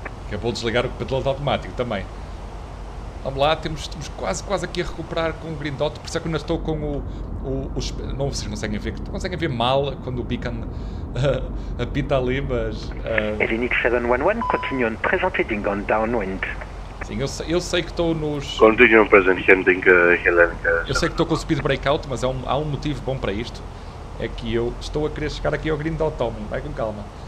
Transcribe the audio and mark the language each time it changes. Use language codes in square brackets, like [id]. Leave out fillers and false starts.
[pt] Acabou de desligar o piloto automático também. Vamos lá, temos quase aqui a recuperar com o green dot, por isso é que ainda estou com o não, vocês conseguem ver mal quando o beacon apita ali, mas... [en] LNX 711, continue on present heading on downwind. [pt] Sim, eu sei que estou nos... [en] Continue on present heading, Helenka. [pt] Eu sei que estou com o speed breakout, mas há um motivo bom para isto, é que eu estou a querer chegar aqui ao green dot, homem, vai com calma.